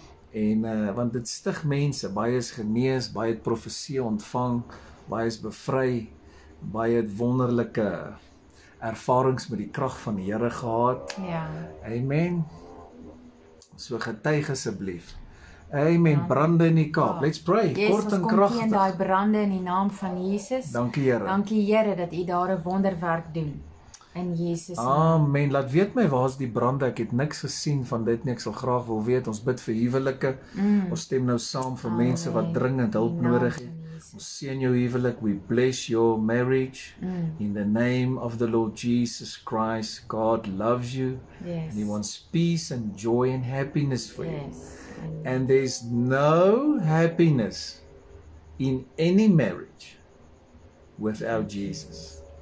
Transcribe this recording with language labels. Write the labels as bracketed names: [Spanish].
[Afrikaans] En want dit stig mense, baie is genees, baie het profesie ontvang, baie is bevry, baie het wonderlike ervarings met die krag van die Here gehad. Ja. Amen. So getuig asseblief. Amen, brande in die Kaap. [English] Let's pray. Yes, [Afrikaans] kort en krachtig. Ons kom hier in die brande in die naam van Jesus. Dankie Here. Dankie Here dat u daar een wonderwerk doen. In Jesus. Amen. Laat weet my waar is die brande. Ek het niks gesien van dit nie. Ek sal graag wil weet. Ons bid vir huwelike. Mm. Ons stem nou saam vir mense wat dringend hulp nodig het. Ons seën jou huwelik. [English] We bless your marriage. Mm. In the name of the Lord Jesus Christ. God loves you. Yes. And he wants peace and joy and happiness for yes. you. And there's no happiness in any marriage without Jesus.